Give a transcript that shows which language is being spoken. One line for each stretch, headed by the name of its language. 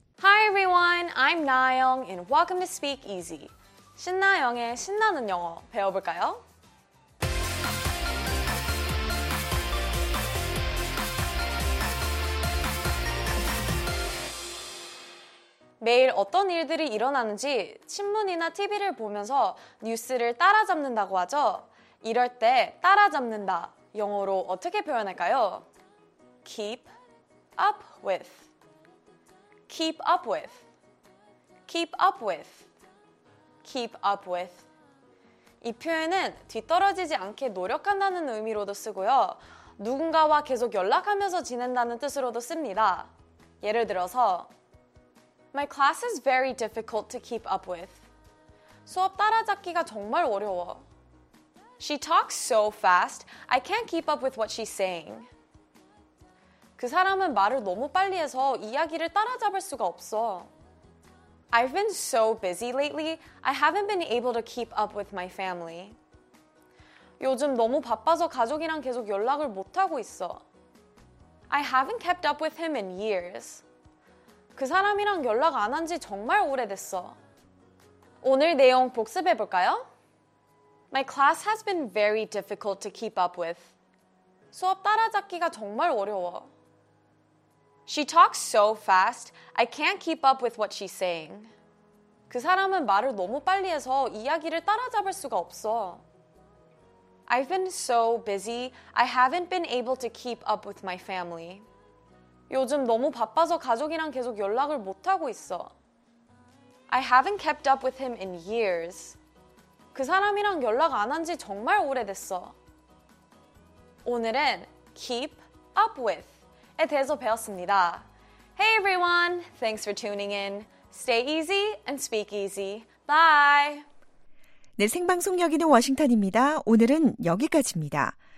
English: Hi everyone, I'm Na-young and welcome to Speak Easy.
Korean: 신나영의 신나는 영어 배워볼까요? 매일 어떤 일들이 일어나는지 신문이나 TV를 보면서 뉴스를 따라잡는다고 하죠. 이럴 때 따라잡는다, 영어로 어떻게 표현할까요?
English: Keep up with. Keep up with. Keep up with. Keep up with.
Korean: 이 표현은 뒤떨어지지 않게 노력한다는 의미로도 쓰고요. 누군가와 계속 연락하면서 지낸다는 뜻으로도 씁니다. 예를 들어서
English: My class is very difficult to keep up with.
Korean: 수업 따라잡기가 정말 어려워.
English: She talks so fast, I can't keep up with what she's saying.
Korean: 그 사람은 말을 너무 빨리 해서 이야기를 따라잡을 수가 없어.
English: I've been so busy lately, I haven't been able to keep up with my family.
Korean: 요즘 너무 바빠서 가족이랑 계속 연락을 못하고 있어.
English: I haven't kept up with him in years.
Korean: 그 사람이랑 연락 안 한 지 정말 오래됐어. 오늘 내용 복습해 볼까요?
English: My class has been very difficult to keep up with.
Korean: 수업 따라잡기가 정말 어려워.
English: She talks so fast, I can't keep up with what she's saying.
Korean: 그 사람은 말을 너무 빨리 해서 이야기를 따라잡을 수가 없어.
English: I've been so busy, I haven't been able to keep up with my family.
Korean: 요즘 너무 바빠서 가족이랑 계속 연락을 못하고 있어.
English: I haven't kept up with him in years.
Korean: 그 사람이랑 연락 안 한 지 정말 오래됐어. 오늘은 keep up with 에 대해서 배웠습니다.
English: Hey everyone, thanks for tuning in. Stay easy and speak easy. Bye.
Korean: 네, 생방송 여기는 워싱턴입니다. 오늘은 여기까지입니다.